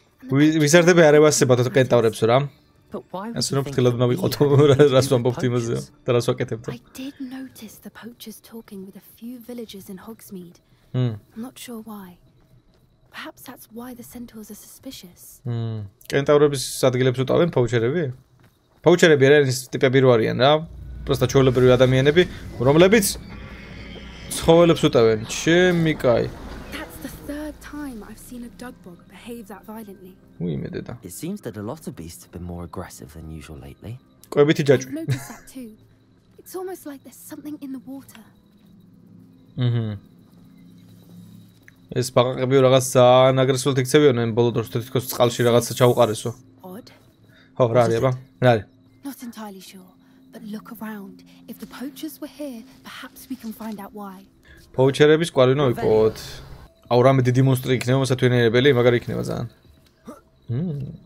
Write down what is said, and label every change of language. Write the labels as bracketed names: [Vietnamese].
[Georgian] ვიზარდები არევასებათ კენტავრებსო რა. ასე რომ ფრთხილად უნდა ვიყოთ რას ვამბობთ იმაზე და რას ვაკეთებთ. [English] I did notice the poachers talking with a few villagers in Hogsmeade. I'm not sure why. Perhaps that's why the centaurs are suspicious. [Georgian] კენტავრების ადგილებს უტავენ ფაუჩერები? ფაუჩერები არიან ის ტიპები რო არიან რა. უბრალოდ ჩვეულებრივი ადამიანები, რომლებიც ცხოველებს უტავენ. ჩემი კაი. [English] That's the third time I've seen a dog bog behave that violently. [Georgian] უი მე დედა. [English] It seems that a lot of beasts have been more aggressive than usual lately. [Georgian] ყვებითი ჯაჭვი. [English] It's almost like there's something in the water. [Georgian] ეს ბაყაყები რაღაც ძალიან აგრესიულად იქცევიან, ან ბოლო დროს თითქოს წყალში რაღაცა ჩაუყარესო. ხო, რა არის აბა? რა არის? [English] Not entirely sure, but look around. If the poachers were here, perhaps we can find out why. [Georgian] პოუჩერების კვალინო იყოთ. აუ, რამე დიდი მონსტრი იქნება მოსათვინეებელი, მაგარი იქნება ძალიან.